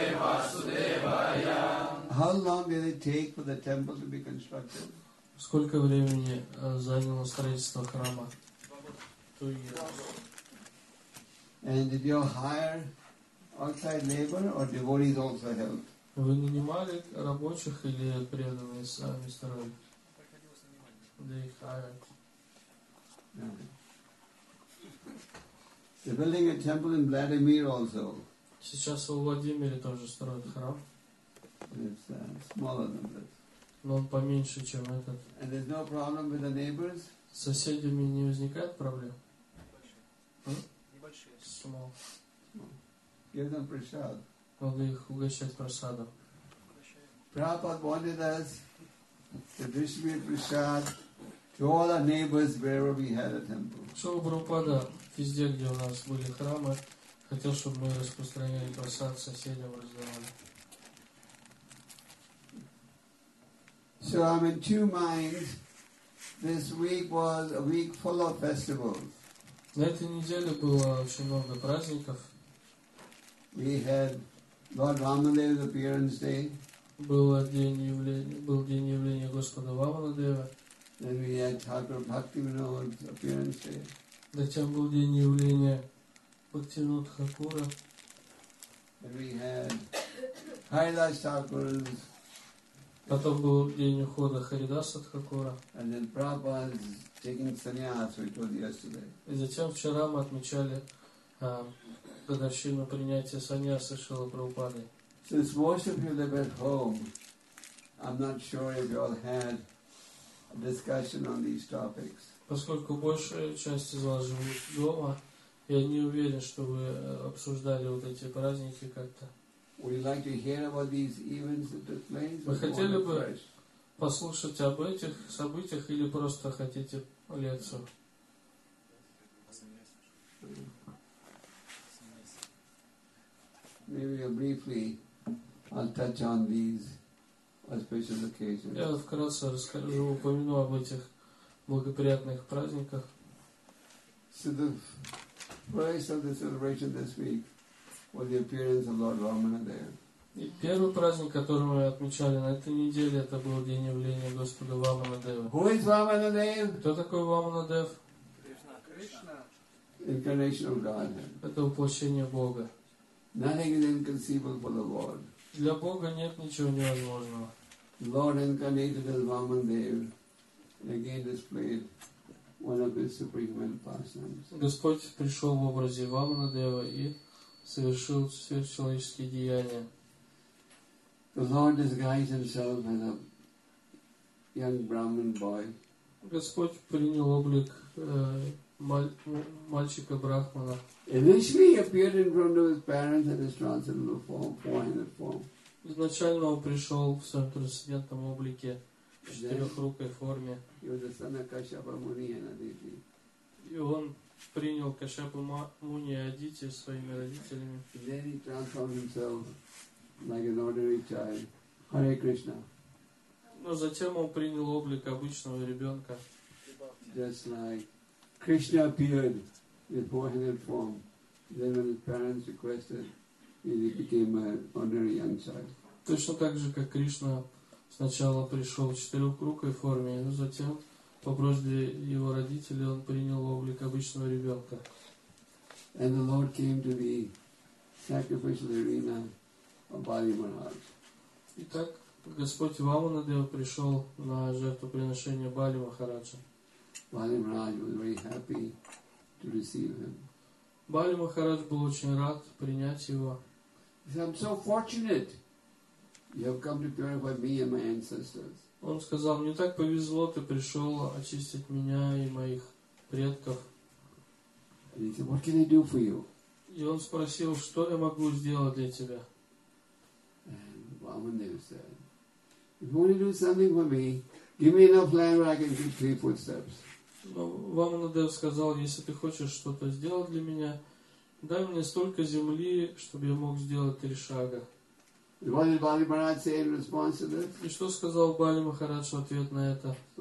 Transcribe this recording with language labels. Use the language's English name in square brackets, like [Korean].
[English] How long did it take for the temple to be constructed? [Russian] Сколько времени заняло строительство храма? [English] And did you hire outside labor or devotees also helped? [Russian] Вы нанимали рабочих или преданные сами строили? [English] They hired. They're building a temple in Vladimir also. [Russian] Сейчас во Владимире тоже строят храм. [English] It's smaller than this. [Russian] Но он поменьше, чем этот. [English] And there's no problem with the neighbors? [Russian] С соседями не возникает проблем? Небольшие. [English] Small. Give them prasad. [Russian] Надо их угощать прасадом. [English] Prabhupada wanted us to distribute prasad to all our neighbors wherever we had a temple. [Russian] Шрила Прабхупада везде, где у нас были храмы, хотел, чтобы мы распространяли прасад соседям, раздавали. [English] So I'm in two minds. This week was a week full of festivals. [Russian] На этой неделе было очень много праздников. [English] We had Lord Ramadev's appearance day. [Russian] Был день явления Господа Вамадева. [English] Then we had Thakur Bhaktivinoda's appearance day. [Russian] Затем был день явления Бхактивинод Хакура. [English] Then we had Kailash Thakur's. [Russian] Потом был день ухода Харидаса Тхакура. [English] And then Prabhupada's taking sannyas, which was yesterday. [Russian] И затем вчера мы отмечали годовщину принятия саньяса Шрилы Прабхупады. [English] Since most of you live at home, I'm not sure if you all had a discussion on these topics. [Russian] Поскольку большая часть из вас живут дома, я не уверен, что вы обсуждали вот эти праздники как-то. [English] Would you like to hear about these events that took place? [Russian] Вы хотели бы послушать об этих событиях или просто хотите лекцию? [English] Maybe briefly, I'll touch on these auspicious occasions. [Russian] Я вкратце расскажу, упомяну об этих благоприятных праздниках. [English] So the first of the celebration this week was the appearance of Lord Ramana there. [Russian] И первый праздник, который мы отмечали на этой неделе, это был день явления Господа Вамадева. [English] Who is Vamanadev? [Russian] Кто такой Вамадев? Кришна. [English] Incarnation of God. [Russian] Это воплощение Бога. [English] Nothing is inconceivable for the Lord. [Russian] Для Бога нет ничего невозможного. [English] Lord incarnated as Vamadev and again displayed one of his supreme pastimes. [Russian] Господь пришел в образе Вамадева и совершил сверхчеловеческие деяния. [English] The Lord disguised himself as a young Brahmin boy. [Russian] Господь принял облик мальчика брахмана. [English] Initially, he appeared in front of his parents in his transcendental form, four-handed form. [Russian] Изначально он пришел в своем трансцендентном облике, в четырехрукой форме. [English] He was the son of Kashyapa Muni and Aditi. [Russian] И он принял Кашьяпу Муни и Адити своими родителями. [English] Then he transformed himself like an ordinary child. Hare Krishna. [Russian] Но затем он принял облик обычного ребенка. [English] Just like Krishna appeared in four-handed form. Then when his parents requested, he became an ordinary young child. [Russian] Точно так же, как Кришна сначала пришел в четырехрукой форме, но затем, по просьбе его родителей, он принял облик обычного ребенка. [English] And the Lord came to the sacrificial arena of Bali Maharaj. [Russian] Итак, Господь Вамадева пришел на жертвоприношение Бали Махараджа. [English] Bali Maharaj was very happy to receive him. [Russian] Бали Махарадж был очень рад принять его. [English] He said, "I'm so fortunate. You have come to purify me and my ancestors." [Russian] Он сказал, мне так повезло, ты пришел очистить меня и моих предков. [English] And he said, "What can I do for you?" [Russian] И он спросил, что я могу сделать для тебя. [English] And Vamadev said, "If you want to do something for me, give me enough land where I can keep 3 footsteps." [Russian] Но Вамадев сказал, если ты хочешь что-то сделать для меня, дай мне столько земли, чтобы я мог сделать 3 шага. И что сказал Бали Махарадж в ответ на это?